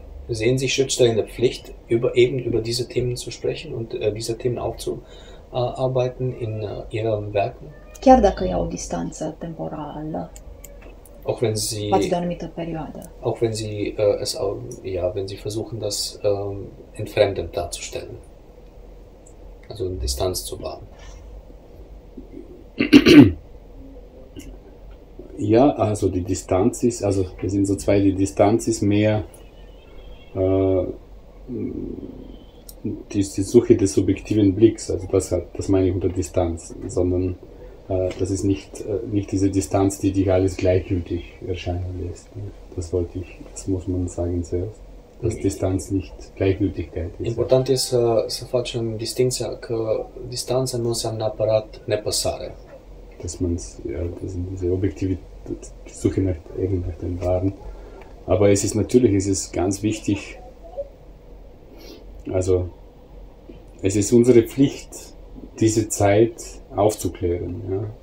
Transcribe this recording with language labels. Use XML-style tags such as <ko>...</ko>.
<de>Sehen sich Schriftsteller in der Pflicht, über diese Themen zu sprechen und diese Themen aufzuarbeiten in ihren Werken?</de> <ro>Chiar dacă iau o distanță temporală.</ro> <de>Auch wenn sie, auch wenn sie es auch, ja, wenn sie versuchen, das entfremdend darzustellen, also eine Distanz zu wahren. Ja, also die Distanz ist, also wir sind so zwei, die Distanz ist mehr die Suche des subjektiven Blicks, also das meine ich unter Distanz, sondern das ist nicht diese Distanz, die dich alles gleichgültig erscheinen lässt. Das wollte ich, das muss man sagen zuerst, dass Distanz nicht Gleichgültigkeit ist.</de> <ro>Important ist, să facem distinția că distanța nu înseamnă neapărat nepăsare.</ro> <de>Dass man diese objektive Suche nach dem Wahren. Aber es ist natürlich, es ist ganz wichtig, also es ist unsere Pflicht, diese Zeit aufzuklären, ja?</de>